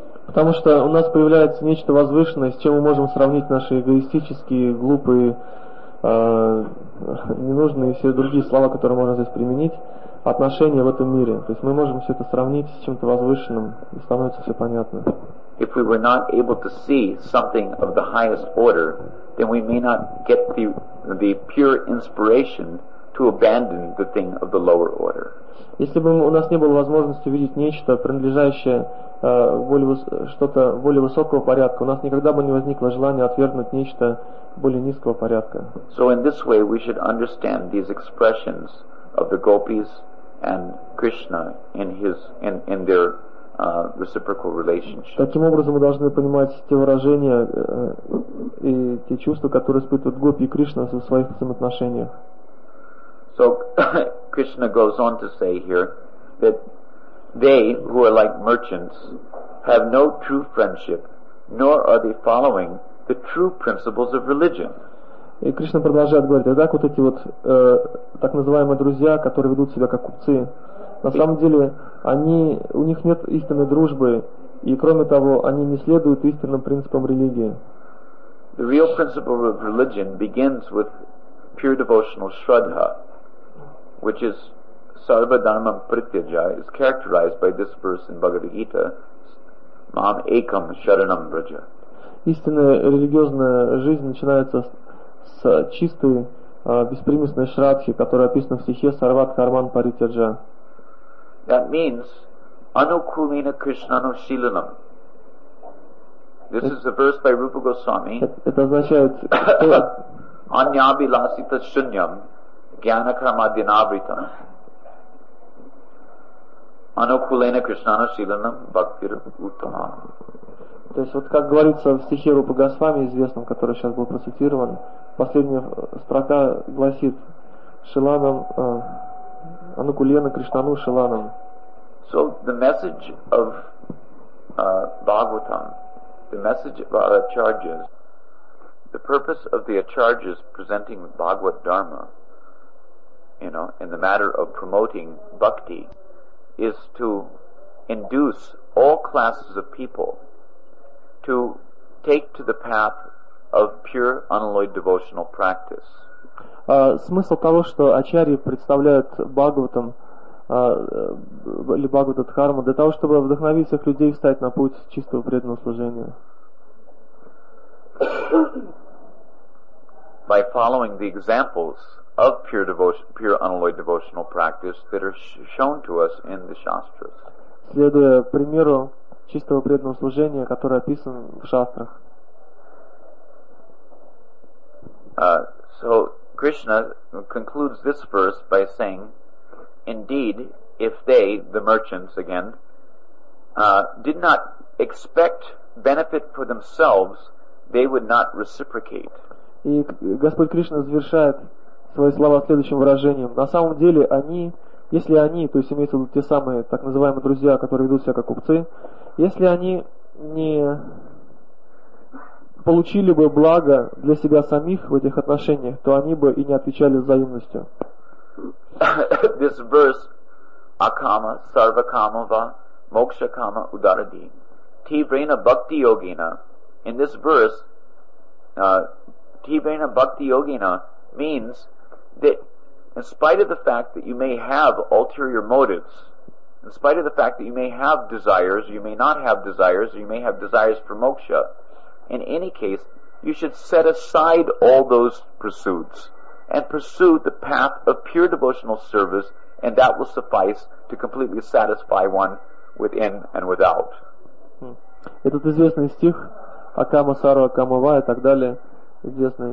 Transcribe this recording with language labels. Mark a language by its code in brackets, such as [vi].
[ru] Потому что у нас появляется нечто возвышенное, с чем мы можем сравнить наши эгоистические, глупые, ненужные и все другие слова, которые можно здесь применить. Отношения в этом мире. То есть мы можем все это сравнить с чем-то возвышенным, и становится все понятно. [en] If we were not able to see something of the highest order, then we may not get the pure inspiration to abandon the thing of the lower order. [ru] Если бы у нас не было возможности увидеть нечто, принадлежащее что-то более высокого порядка, у нас никогда бы не возникло желания отвергнуть нечто более низкого порядка. [en] So in this way we should understand these expressions of the gopis and Krishna in their reciprocal relationship. [ru] Таким образом, мы должны понимать те выражения и те чувства, которые испытывают гопи и Кришна в своих взаимоотношениях. [en] So Krishna goes on to say here that they who are like merchants have no true friendship, nor are they following the true principles of religion. [ru] И Кришна продолжает говорить, так вот эти вот так называемые друзья, которые ведут себя как купцы, на самом деле они, у них нет истинной дружбы, и кроме того, они не следуют истинным принципам религии. [en] The real principle of religion begins with pure devotional shraddha, which is [sa] sarva dharma prityaja, [en] is characterized by this verse in Bhagavad Gita, [sa] mam ekam sharanam braja. [ru] Истинная религиозная жизнь начинается с чистой беспримесной шрадхи, которая описана в стихе [sa] Сарват Харман Паритяджа. [en] That means [sa] anukulina krishnanu shilanam. [en] This is a verse by Rupa Goswami. [ru] Это означает [sa] anyabilasita shunyam gyana karma dinavrita anukulina krishnanu shilanam bhaktir uttama. [ru] То есть вот как говорится в стихе Рупа Госвами известном, который сейчас был процитирован, последняя строка гласит [sa] Шиланам Анукулена Кришнану Шиланам. [en] So the message of Bhagavatam, the message of our acharyas, the purpose of the acharyas presenting Bhagavad Dharma, you know, in the matter of promoting bhakti, is to induce all classes of people to take to the path of pure unalloyed devotional practice. [ru] Смысл того, что ачарьи представляют Бхагаватам или Бхагавата Дхарму, для того, чтобы вдохновить всех людей встать на путь чистого преданного служения. [en] By following the examples of pure devotion, pure unalloyed devotional practice that are shown to us in the shastras. [ru] Следуя примеру чистого преданного служения, который описан в шастрах. [en] So Krishna concludes this verse by saying, indeed, if they, the merchants again, did not expect benefit for themselves, they would not reciprocate. [ru] И Господь Кришна завершает свои слова следующим выражением. На самом деле они, если они, то есть имеются те самые так называемые друзья, которые ведут себя как купцы, если они не получили бы благо для себя самих в этих отношениях, то они бы и не отвечали взаимностью. [en] This verse [sa] akama sarvakamava moksha kama udaradi tivrena bhakti yogina. [en] In this verse, [sa] tivrena bhakti yogina [en] means that in spite of the fact that you may have ulterior motives, in spite of the fact that you may have desires, you may not have desires, you may have desires for moksha, in any case, you should set aside all those pursuits and pursue the path of pure devotional service, and that will suffice to completely satisfy one within and without. [ru] Этот известный стих [sa] Акама Сарва Камова [ru] и так далее, известный.